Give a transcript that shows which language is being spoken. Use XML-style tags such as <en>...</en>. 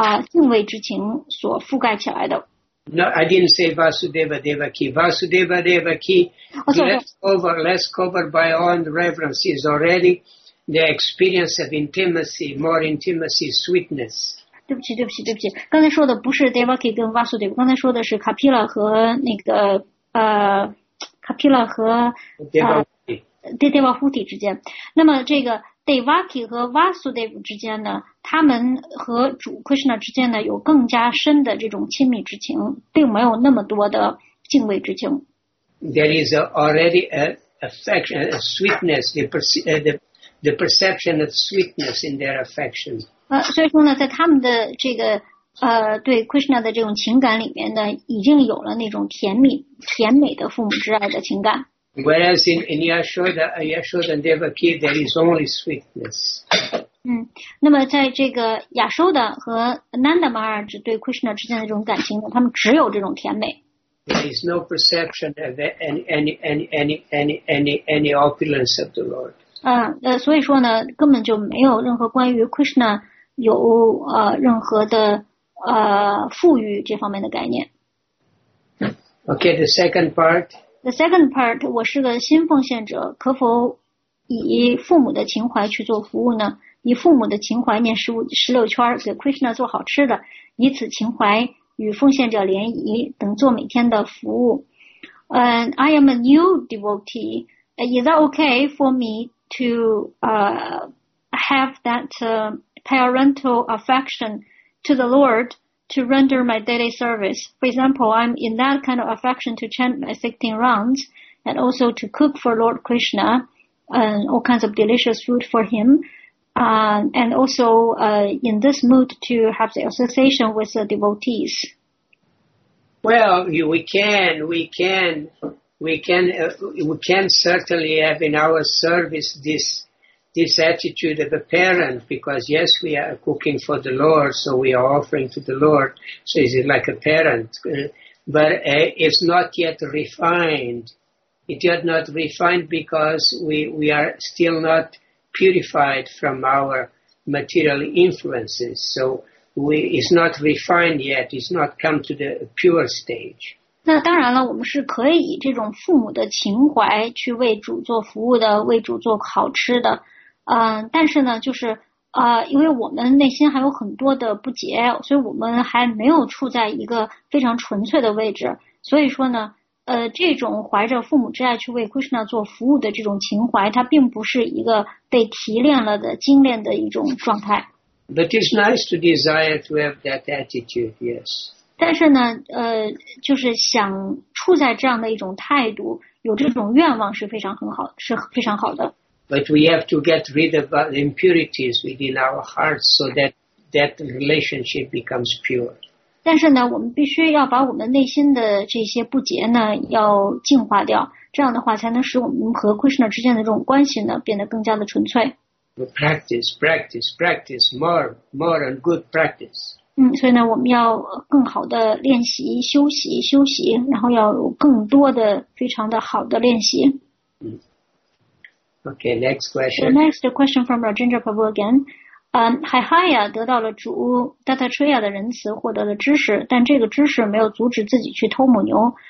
<zh>敬畏之情所覆盖起来的。</zh> <en>No, I didn't say Vasudeva Devaki. Vasudeva Devaki, less covered by awe and reverence, is already the experience of intimacy, more intimacy, sweetness.</en> <zh>对不起。刚才说的不是 Devaki 跟 Vasudeva， 刚才说的是 Kapila 和那个Kapila 和 Devahuti 之间。那么这个。 Devaki 和 Vasudev 之间呢，他们和主 Krishna 之间呢有更加深的这种亲密之情，并没有那么多的敬畏之情。</zh> <en>There is already an affection, a sweetness, the perception of sweetness in their affection.</en> <zh>所以说呢，在他们的这个对 Krishna 的这种情感里面呢，已经有了那种甜美的父母之爱的情感。</zh> <en>Whereas in Yashoda and Devaki, there is only sweetness.</en> <zh>那么在这个亚修的和 Nanda Maharaj 对 Krishna 之间的这种感情，他们只有这种甜美。</zh> <en>There is no perception of any opulence of the Lord.</en> <zh>所以说呢，根本就没有任何关于 Krishna 有任何的富裕这方面的概念。</zh> <en>Okay, the second part. The second part,</en> <zh>我是个新奉献者，可否以父母的情怀去做服务呢？以父母的情怀念十六圈，给 Krishna 做好吃的，以此情怀与奉献者联谊，等做每天的服务。</zh> <en>I am a new devotee. Is that okay for me to have that parental affection to the Lord? To render my daily service. For example, I'm in that kind of affection to chant my 16 rounds and also to cook for Lord Krishna and all kinds of delicious food for him. And also in this mood to have the association with the devotees. Well, we can certainly have in our service this attitude of a parent, because yes, we are cooking for the Lord, so we are offering to the Lord, so is it like a parent, but it's not yet refined. It's yet not refined because we are still not purified from our material influences, so it's not refined yet, it's not come to the pure stage.</en> <zh>那当然了，我们是可以以这种父母的情怀去为主做服务的，为主做好吃的。但是呢，就是因为我们内心还有很多的不洁，所以我们还没有处在一个非常纯粹的位置。所以说呢，这种怀着父母之爱去为 Krishna 做服务的这种情怀，它并不是一个被提炼了的精炼的一种状态。</zh> <en>But it's nice to desire to have that attitude, yes.</en> <zh>但是呢，就是想处在这样的一种态度，有这种愿望是非常好的。</zh> <en>But we have to get rid of the impurities within our hearts so that that relationship becomes pure.</en> <zh>但是呢，我们必须要把我们内心的这些不洁呢，要净化掉。这样的话，才能使我们和 Krishna 之间的这种关系呢，变得更加的纯粹。</zh> <en>Practice, practice, practice more, more and good practice.</en> <zh>嗯，所以呢，我们要更好的练习、休息、休息，然后要有更多的非常的好的练习。</zh> <en>Okay, next question. The next question from Rajendra Prabhu again.</en> <zh>Haihaya 得到了主 Dattatreya 的仁慈，获得了知识，但这个知识没有阻止自己去偷母牛。</zh>